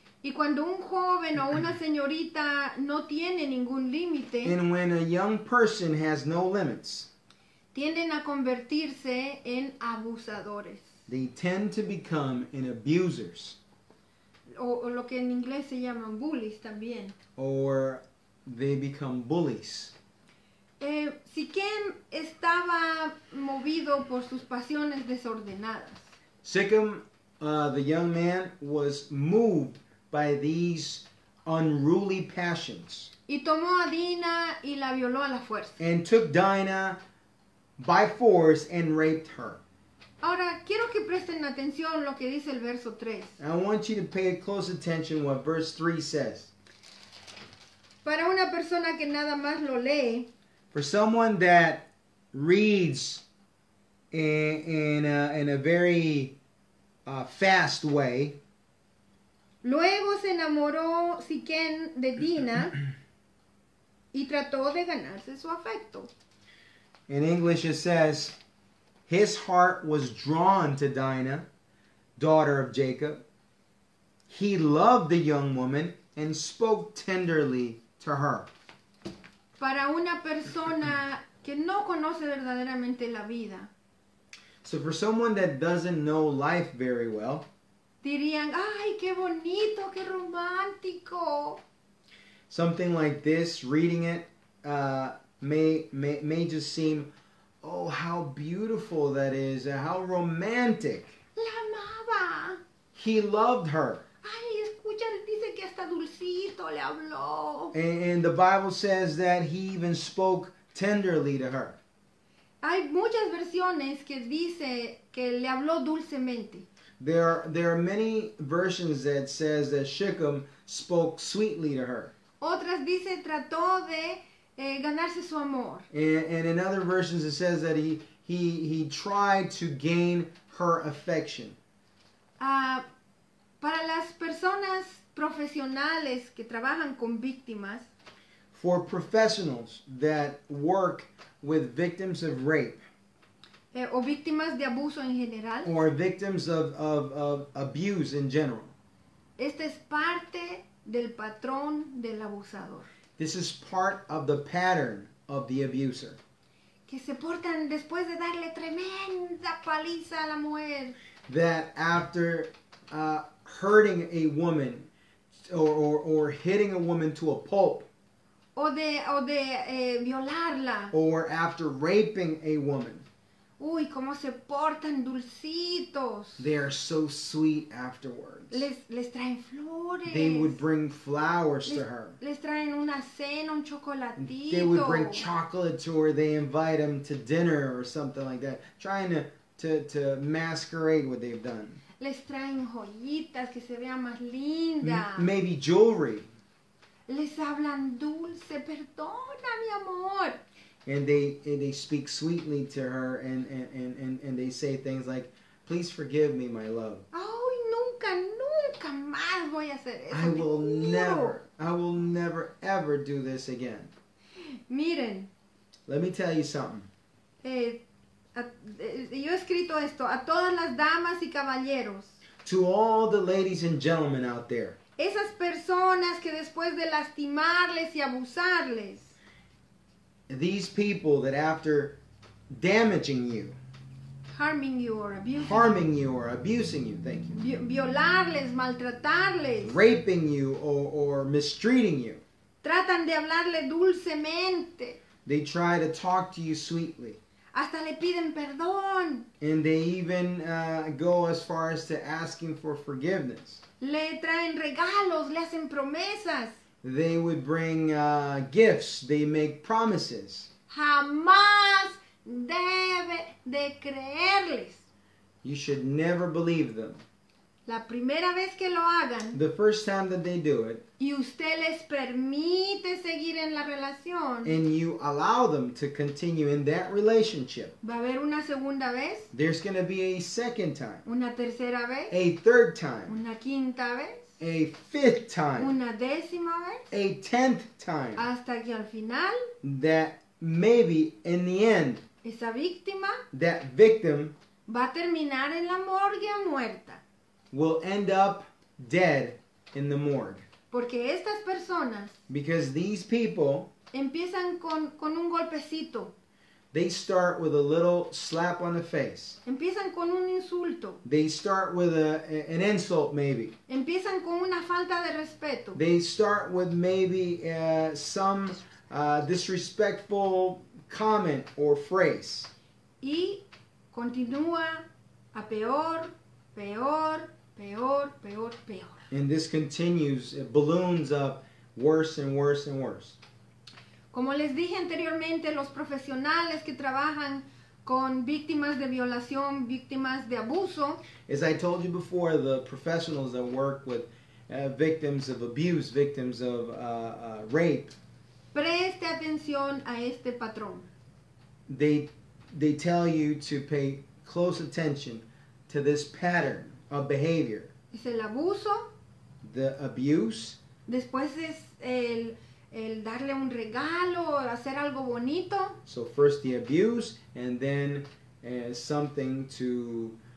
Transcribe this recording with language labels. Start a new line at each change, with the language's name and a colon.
Spanish: Y cuando un joven o una señorita no tiene ningún límite,
English: and when a young person has no limits,
Spanish: tienden a convertirse en abusadores.
English: They tend to become in abusers.
Spanish: O lo que en inglés se llaman bullies también.
English: Or they become bullies.
Spanish: Siquem estaba movido por sus pasiones desordenadas.
English: Siquem, the young man, was moved by these unruly passions.
Spanish: Y tomó a Dina y la violó a la fuerza.
English: And took Dina by force and raped her.
Spanish: Ahora, quiero que presten atención lo que dice el verso 3.
English: I want you to pay close attention what verse 3 says.
Spanish: Para una persona que nada más lo lee,
English: for someone that reads in a very fast way.
Spanish: Luego se enamoró Siquem de Dina y trató de ganarse su afecto.
English: In English it says, his heart was drawn to Dinah, daughter of Jacob. He loved the young woman and spoke tenderly to her.
Spanish: Para una persona que no conoce verdaderamente la vida.
English: So for someone that doesn't know life very well.
Spanish: Dirían, ay, qué bonito, qué romántico.
English: Something like this, reading it, may just seem, oh, how beautiful that is, how romantic.
Spanish: La amaba.
English: He loved her.
Spanish: Ay, escucha, dice que hasta dulcito le habló.
English: And the Bible says that he even spoke tenderly to her.
Spanish: Hay muchas versiones que dice que le habló dulcemente.
English: There are many versions that says that Shechem spoke sweetly to her.
Spanish: Otras dice trató de ganarse su amor.
English: And in other versions it says that he tried to gain her affection.
Spanish: Para las personas profesionales que trabajan con víctimas.
English: For professionals that work with victims of rape.
Spanish: O víctimas de abuso en general.
English: Or victims of abuse in general.
Spanish: Este es parte del patrón del abusador.
English: This is part of the pattern of the abuser.
Spanish: Que se portan después de darle tremenda paliza a la mujer.
English: That after hurting a woman or hitting a woman to a pulp.
Spanish: O de violarla.
English: Or after raping a woman.
Spanish: Uy, cómo se portan dulcitos.
English: They are so sweet afterwards.
Spanish: Les traen flores.
English: They would bring flowers to her.
Spanish: Les traen una cena, un chocolatito.
English: They would bring chocolate to her. They invite them to dinner or something like that. Trying to masquerade what they've done.
Spanish: Les traen joyitas que se vean más lindas.
English: Maybe jewelry.
Spanish: Les hablan dulce. Perdona, mi amor.
English: And they speak sweetly to her and they say things like, please forgive me, my love.
Spanish: Ay, nunca, nunca más voy a hacer eso.
English: I will never ever do this again.
Spanish: Miren.
English: Let me tell you something.
Spanish: Yo he escrito esto a todas las damas y caballeros.
English: To all the ladies and gentlemen out there. Esas personas que después de lastimarles y abusarles. These people that after damaging you, harming you or abusing you. Harming you or abusing you, thank you.
Spanish: Violarles, maltratarles.
English: Raping you or mistreating you.
Spanish: Tratan de hablarle dulcemente.
English: They try to talk to you sweetly.
Spanish: Hasta le piden perdón.
English: And they even go as far as to asking for forgiveness.
Spanish: Le traen regalos, le hacen promesas.
English: They would bring gifts, they make promises.
Spanish: Jamás debe de creerles.
English: You should never believe them.
Spanish: La primera vez que lo hagan.
English: The first time that they do it.
Spanish: Y usted les permite seguir en la relación.
English: And you allow them to continue in that relationship.
Spanish: Va a haber una segunda vez.
English: There's going to be a second time.
Spanish: Una tercera vez.
English: A third time.
Spanish: Una quinta vez.
English: A fifth time.
Spanish: Una décima vez.
English: A tenth time.
Spanish: Hasta que al final.
English: That maybe in the end.
Spanish: Esa víctima.
English: That victim.
Spanish: Va a terminar en la morgue muerta.
English: Will end up dead in the morgue.
Spanish: Porque estas personas.
English: Because these people.
Spanish: Empiezan con un golpecito.
English: They start with a little slap on the face.
Spanish: Empiezan con un insulto.
English: They start with an insult maybe.
Spanish: Empiezan con una falta de respeto.
English: They start with maybe some disrespectful comment or phrase.
Spanish: Y continúa a peor, peor. Peor, peor, peor.
English: And this continues, it balloons up worse and worse and worse.
Spanish: Como les dije anteriormente, los profesionales que trabajan con víctimas de violación, víctimas de abuso.
English: As I told you before, the professionals that work with victims of abuse, victims of rape.
Spanish: Preste atención a este patrón.
English: They tell you to pay close attention to this pattern. Of behavior.
Spanish: Es el abuso.
English: The abuse.
Spanish: Después es el darle un regalo, hacer algo bonito.
English: So first the abuse, and then something to.